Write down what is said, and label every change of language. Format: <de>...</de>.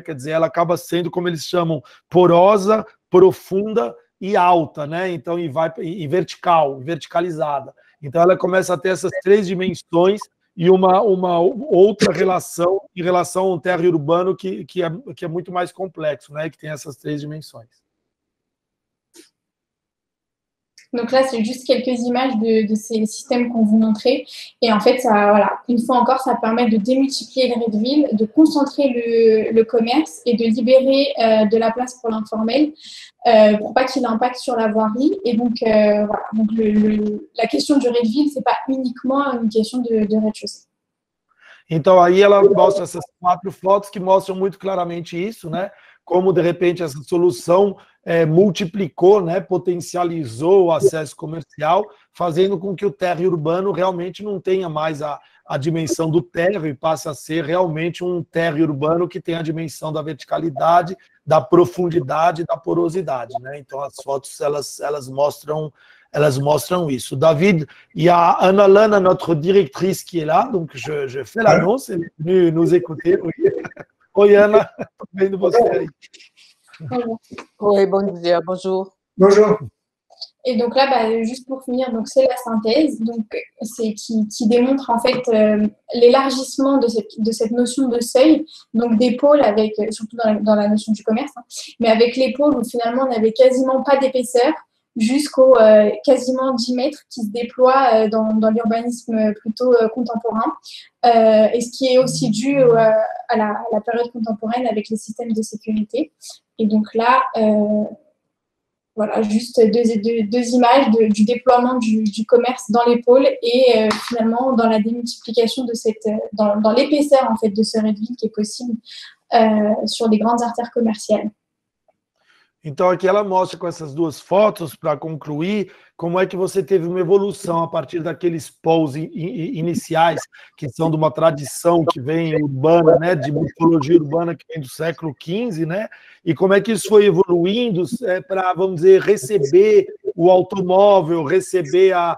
<pt>Quer dizer, ela acaba sendo, como eles chamam, porosa, profunda e alta, né? Então, e vertical, verticalizada. Então, ela começa a ter essas três dimensões e uma outra relação em relação ao térreo urbano que é muito mais complexo, né, que tem essas três dimensões.</pt> <fr>Donc là, c'est juste quelques images de ces systèmes qu'on vous montrait. Et en fait, ça, voilà, une fois encore, ça permet de démultiplier les Redville, de concentrer le commerce et de libérer de la place pour l'informel pour pas qu'il impacte sur la voirie. Et donc, voilà. Donc la question du Redville, c'est pas uniquement une question de rez-de-chaussée.</fr> <pt>Então, aí ela mostra essas quatro fotos que mostram muito claramente isso, né? Como de repente essa solução multiplicou, né, potencializou o acesso comercial, fazendo com que o térreo urbano realmente não tenha mais a dimensão do térreo e passe a ser realmente um térreo urbano que tem a dimensão da verticalidade, da profundidade e da porosidade, né? Então as fotos elas mostram isso. David e a Ana Lana,</pt> <fr>notre directrice qui est là, donc je fais l'annonce, elle est venue nous écouter. Oui.</fr> <pt>Oi, Ana, tudo bem com você aí?</pt> <fr>Oui,</fr> <pt>bon dia,</pt> <fr>bonjour. Bonjour. Et donc là, bah, juste pour finir, donc c'est la synthèse, donc c'est qui démontre en fait l'élargissement de cette notion de seuil, donc des pôles avec surtout dans la notion du commerce, hein, mais avec les pôles où finalement on n'avait quasiment pas d'épaisseur jusqu'au quasiment 10 mètres qui se déploie dans l'urbanisme plutôt contemporain, et ce qui est aussi dû à la période contemporaine avec les systèmes de sécurité. Et donc là, voilà, juste deux images du déploiement du commerce dans les pôles et finalement dans la démultiplication de cette, dans l'épaisseur en fait de ce réduit qui est possible sur les grandes artères commerciales.</fr> <pt>Então, aqui ela mostra com essas duas fotos, para concluir, como é que você teve uma evolução a partir daqueles poles iniciais, que são de uma tradição que vem urbana, né, de morfologia urbana que vem do século XV, né, e como é que isso foi evoluindo para, vamos dizer, receber o automóvel, receber</pt>